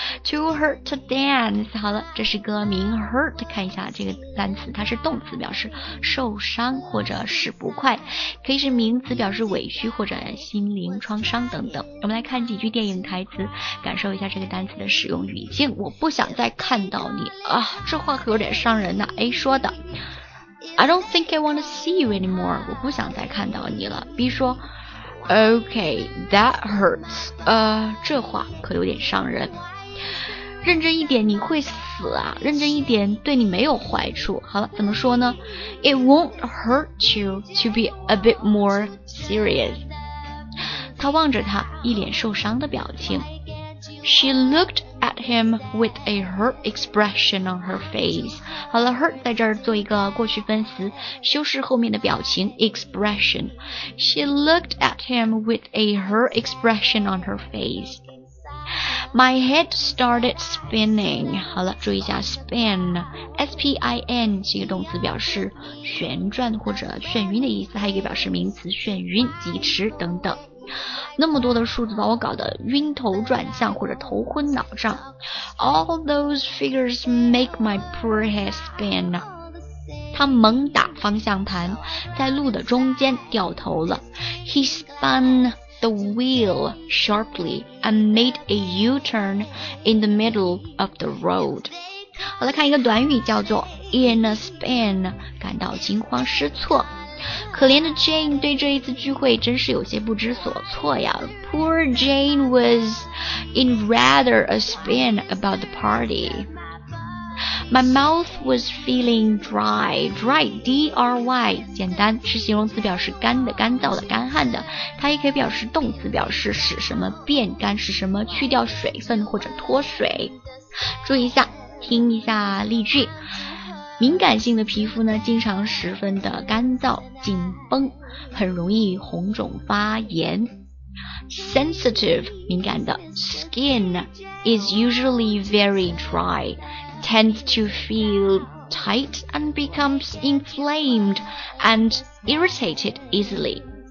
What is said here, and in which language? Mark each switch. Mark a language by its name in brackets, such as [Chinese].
[English] To hurt to dance， [Chinese] 好了，这是歌名 hurt， 看一下这个单词，它是动词，表示受伤或者是不快，可以是名词，表示委屈或者心灵创伤等等。我们来看几句电影台词，感受一下这个单词的使用语境。我不想再看到你啊，这话可有点伤人呐。 A 说的， [English] I don't think I want to see you anymore. [Chinese] 我不想再看到你了。 B 说 [English] Okay, that hurts. [Chinese] 这话可有点伤人。认真一点你会死啊，认真一点对你没有坏处。好了，怎么说呢？ [English] It won't hurt you to be a bit more serious. [Chinese] 他望着他一脸受伤的表情。 [English] She lookedhim with a hurt expression on her face. [Chinese] 好了， hurt 在这儿做一个过去分词，修饰后面的表情 expression. [English] She looked at him with a hurt expression on her face. My head started spinning. [Chinese] 好了，注意一下 spin, S-P-I-N 这个动词表示旋转或者眩晕的意思，还有一个表示名词眩晕、疾驰等等。那么多的数字把我搞得晕头转向或者头昏脑胀。 [English] All those figures make my poor head spin. [Chinese] 他猛打方向盘，在路的中间掉头了。 [English] He spun the wheel sharply and made a U-turn in the middle of the road. [Chinese] 我来看一个短语叫做 in a spin, 感到惊慌失措。可怜的 Jane 对这一次聚会真是有些不知所措呀。 [English] Poor Jane was in rather a spin about the party. My mouth was feeling dry. [Chinese] Dry, D-R-Y, 简单，是形容词，表示干的、干燥的、干旱的。它也可以表示动词，表示使什么变干，使什么去掉水分或者脱水。注意一下，听一下例句。敏感性的皮肤呢，经常十分的干燥、紧绷，很容易红肿发炎。 [English] Sensitive, [Chinese] 敏感的 [English] skin is usually very dry, tends to feel tight and becomes inflamed and irritated easily.